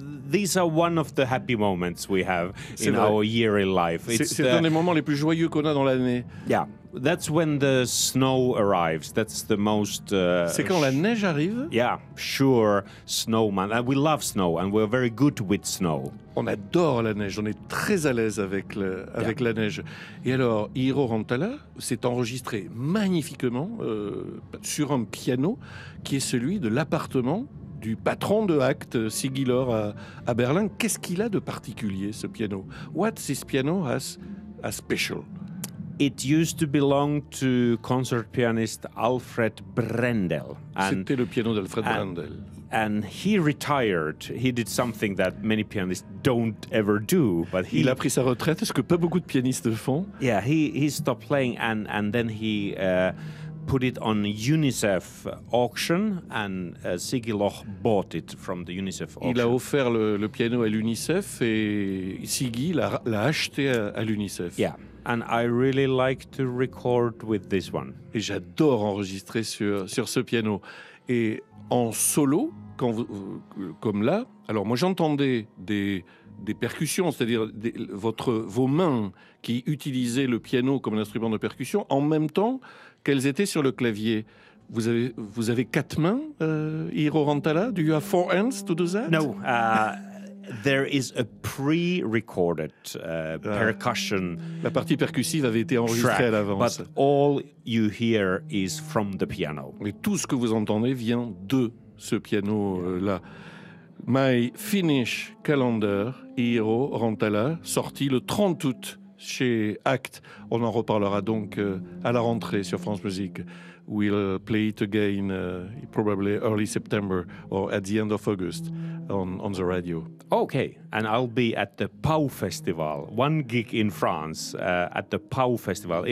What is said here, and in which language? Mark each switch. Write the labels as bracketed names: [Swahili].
[English] These are one of the happy moments we have in our year in life. [French] C'est un des moments les plus joyeux qu'on a dans l'année. [English] Yeah. That's when the snow arrives. That's the most... [French] C'est quand la neige arrive? [English] Yeah, sure, snowman. And we love snow, and we're very good with snow. [French] On adore la neige, on est très à l'aise avec, avec la neige. Et alors, Hiro Rantala s'est enregistré magnifiquement sur un piano qui est celui de l'appartement du patron de Act, Sigilor, à Berlin. Qu'est-ce qu'il a de particulier, ce piano? [English] What this piano has a special? It used to belong to concert pianist Alfred Brendel. [French] C'était le piano d'Alfred Brendel. [English] And he retired. He did something that many pianists don't ever do. But [French] il a pris sa retraite, ce que pas beaucoup de pianistes font. [English] Yeah, he stopped playing and then he put it on UNICEF auction and Sigilor bought it from the UNICEF auction. [French] Il a offert le piano à l'UNICEF et Sigi l'a acheté à l'UNICEF. [English] Yeah. And I really like to record with this one. [French] Et j'adore enregistrer sur ce piano. Et en solo, comme là, alors moi j'entendais des percussions, c'est-à-dire vos mains qui utilisaient le piano comme un instrument de percussion, en même temps qu'elles étaient sur le clavier. Vous avez quatre mains, Hiro Rantala? [English] Do you have four hands to do that? No. There is a pre-recorded percussion. [French] La partie percussive avait été enregistrée [English] track, [French] à l'avance. [English] But all you hear is from the piano. [French] Mais tout ce que vous entendez vient de ce piano là. My Finnish Calendar, Hiro Rantala, sorti le 30 août chez Act. On en reparlera donc à la rentrée sur France Musique. [English] We'll play it again probably early September or at the end of August on the radio. Okay, and I'll be at the Pau Festival, one gig in France, at the Pau Festival.